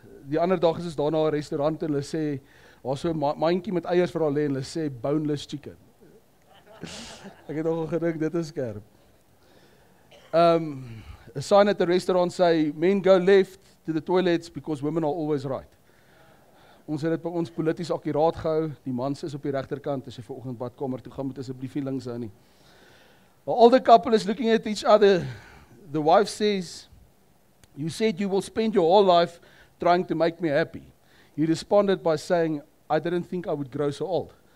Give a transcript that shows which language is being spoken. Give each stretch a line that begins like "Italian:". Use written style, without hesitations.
Afrikaans: Die ander dag is ons daarna 'n restaurant en hulle sê, daar's so 'n mandjie met eiers vir hulle en hulle sê boneless chicken. Ek het nogal gedink, dit is skerp.
English: A sign at the restaurant sê, men go left to the toilets because women are always right.
Afrikaans: Ons het dit by ons polities akkuraat gehou. Die man is op die regterkant, as hy ver oggend badkamer toe gaan, moet asseblief nie links hou nie.
English: All the couple is looking at each other. The wife says, "You said you will spend your whole life trying to make me happy." He responded by saying, "I didn't think I would grow so old."